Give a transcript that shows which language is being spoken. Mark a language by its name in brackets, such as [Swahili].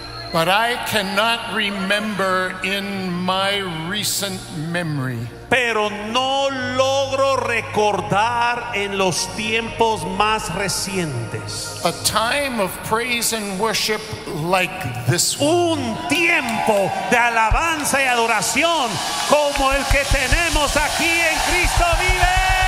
[English] But I cannot remember in my recent memory. [Spanish] Pero no logro recordar en los tiempos más recientes. [English] A time of praise and worship like this one. [Spanish] Un tiempo de alabanza y adoración como el que tenemos aquí en Cristo Vive.